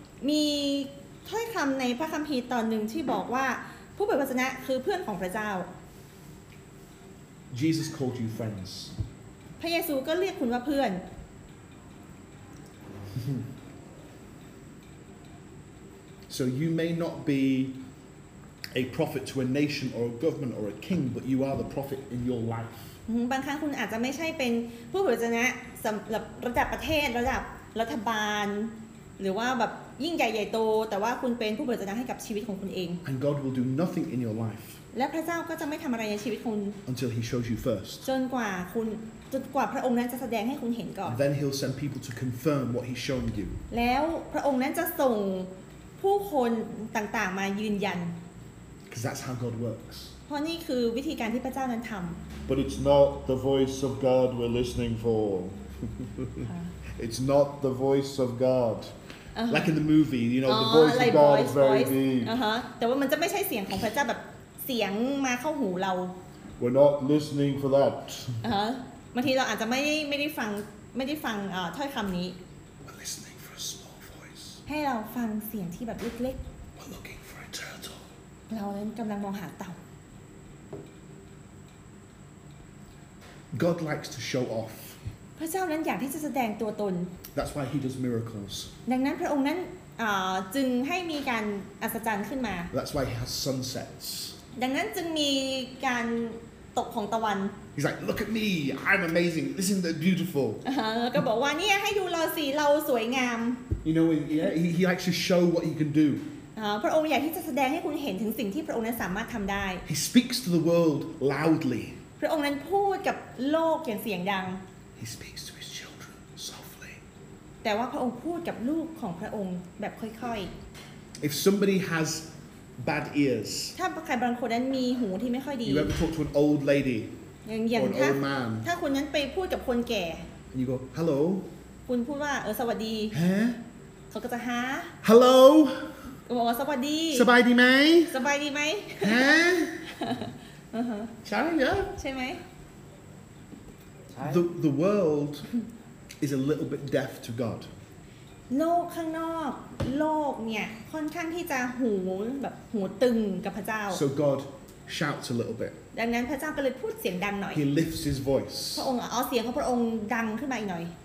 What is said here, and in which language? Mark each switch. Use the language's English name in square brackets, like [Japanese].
[Thai] มีถ้อยคำในพระคัมภีร์ตอนหนึ่งที่บอกว่าผู้เผยพระวจนะคือเพื่อนของพระเจ้า [English] Jesus called you friends. [Thai] พระเยซูก็เรียกคุณว่าเพื่อน [English] So you may not be a prophet to a nation or a government or a king, but you are the prophet in your life. [Thai] บางครั้งคุณอาจจะไม่ใช่เป็นผู้เผยพระวจนะสำหรับระดับประเทศระดับรัฐบาลหรือว่าแบบยิ่งใหญ่โตแต่ว่าคุณเป็นผู้เผยพระวจนะให้กับชีวิตของคุณเอง [English] And God will do nothing in your life [Thai] และพระเจ้าก็จะไม่ทำอะไรในชีวิตคุณ [English] Until He shows you first [Thai] จนกว่าพระองค์นั้นจะแสดงให้คุณเห็นก่อน [English] Then He'll send people to confirm what He's shown you [Thai] แล้วพระองค์นั้นจะส่งผู้คนต่างๆมายืนยัน [English] Because that's how God works [Thai] เพราะนี่คือวิธีการที่พระเจ้านั้นทำ [English] But it's not the voice of God we're listening for. it's not the voice of God. Uh-huh. Like in the movie, you know, the voice of God is very deep. [Thai] แต่ว่ามันจะไม่ใช่เสียงของพระเจ้าแบบเสียงมาเข้าหูเรา [English] We're not listening for that. [Thai] บางทีเราอาจจะไม่ได้ฟังถ้อยคำนี้ [English] We're listening for a small voice. [Thai] ให้เราฟังเสียงที่แบบเล็กๆ [English] We're looking for a turtle. [Thai] เรานั้นกำลังมองหาเต่า [English] God likes to show off. [Thai] พระเจ้านั้นอยากที่จะแสดงตัวตน [English] That's why he does miracles. [Thai] ดังนั้นพระองค์นั้นจึงให้มีการอัศจรรย์ขึ้นมา [English] That's why he has sunsets. [Thai] ดังนั้นจึงมีการตกของตะวัน [English] He's like, look at me, I'm amazing. This isn't that beautiful. [Thai] ก็บอกว่าเนี่ยให้ดูเราสิเราสวยงาม [English] You know, yeah, he likes to show what he can do. [Thai] พระองค์อยากที่จะแสดงให้คุณเห็นถึงสิ่งที่พระองค์นั้นสามารถทำได้ [English] He speaks to the world loudly. [Thai] พระองค์นั้นพูดกับโลกอย่างเสียงดัง [English] He speaks to his children softly [Thai] แต่ว่าพระองค์พูดกับลูกของพระองค์แบบค่อย [English] ๆ If somebody has bad ears [Thai] ถ้าใครบางคนนั้นมีหูที่ไม่ค่อยดี [English] you ever talk to an old lady [Thai] อย่าง ถ้า คนนั้นไปพูดกับคนแก่ [English] you go hello [Thai] คุณพูดว่าสวัสดี ฮะ เขาก็จะฮะ [English] hello [Thai] ก็บอกว่าสวัสดี สบายดีไหม สบายดีไหม ฮะ ใช่ไ หม ใช่ไหม [English] the world is a little bit deaf to God [Thai] โลกข้างนอกโลกเนี่ยค่อนข้างที่จะหูแบบหูตึงกับพระเจ้า [English] so GodShouts a little bit. [Thai] ดังนั้นพระเจ้าก็เลยพูดเสียงดังหน่อย [English] He lifts his voice. [Thai] พระองค์เอาเสียงของพระองค์ดังขึ้นมาอีกหน่อย